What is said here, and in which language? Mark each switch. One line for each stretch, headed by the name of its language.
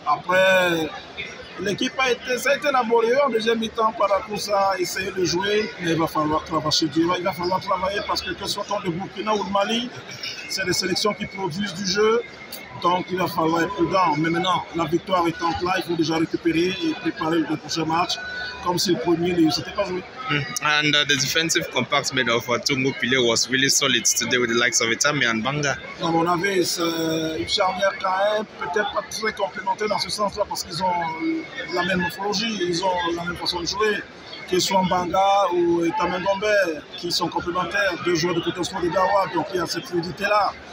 French: Après, l'équipe a été, ça a été laborieux en deuxième mi-temps par la course à essayer de jouer. Mais il va falloir travailler, il va falloir travailler parce que ce soit contre le Burkina ou le Mali, c'est les sélections qui produisent du jeu. Donc il va falloir être prudent. Mais maintenant, la victoire étant là, il faut déjà récupérer et préparer le prochain match comme si le premier ne s'était pas joué.
English: And the defensive compact made of Tungo Pile was really solid today with the likes of Itami and Banga.
French: À mon avis, c'est une charnière quand même, peut-être pas très complémentaire dans ce sens-là parce qu'ils ont la même morphologie, ils ont la même façon de jouer. Que ce soit Banga ou Itami Ndombe, qui sont complémentaires, deux joueurs de côté au sport de Gawa, donc il y a cette fluidité-là.